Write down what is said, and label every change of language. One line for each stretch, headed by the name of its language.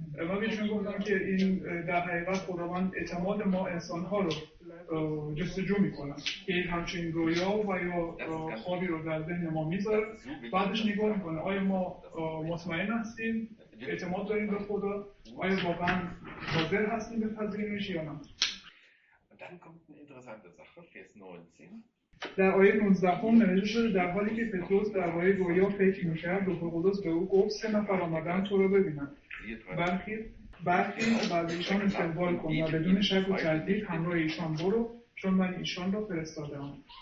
Persian: و میشون گفتم که این در حقیقت خداوند اعتماد ما انسان ها رو جستجو میکنن که یک همچون رویا و یا خوابی رو در ذهن ما میذاره، بعدش نگاه میکنه آیا ما مطمئن هستیم، اعتماد داریم به خدا، آیا واقعا حاضر هستیم به پذیرش یا نه.
German: Dann kommt eine interessante Sache, Vers 19.
Persian: در آیه 19 نوشته شده در حالی که پتروس در آیه گویا فکر می‌کرد روح القدس به او گفت سه نفر آمدن تو رو ببینن. برخی بعد ایشان استقبال کن و بدون شک و تردید همراه ایشان برو چون من ایشان را فرستاده‌ام.